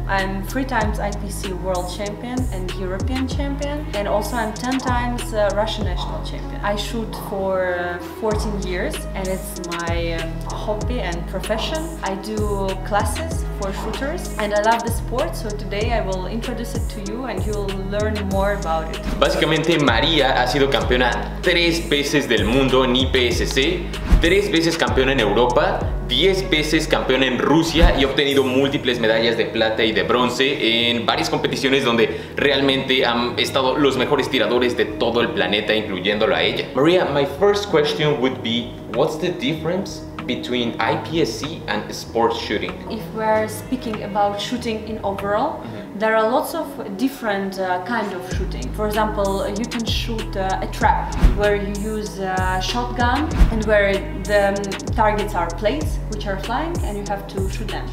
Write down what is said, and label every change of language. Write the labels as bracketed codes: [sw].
[en] I'm 3 times IPC world champion and European champion, and also I'm 10 times Russian national champion. I shoot for 14 years and it's my hobby and profession. I do classes for shooters and I love the sport, so today I will introduce it to you and you'll learn more about it. [es] Básicamente, María ha sido campeona 3 veces del mundo en IPSC, 3 veces campeona en Europa, 10 veces campeona en Rusia y ha obtenido múltiples medallas de plata y de bronce en varias competiciones donde realmente han estado los mejores tiradores de todo el planeta, incluyéndola a ella. [en] María, my first question would be, what's the difference between IPSC and sports shooting? If we're speaking about shooting in overall, there are lots of different kind of shooting. For example, you can shoot a trap where you use a shotgun and where the targets are plates which are flying and you have to shoot them.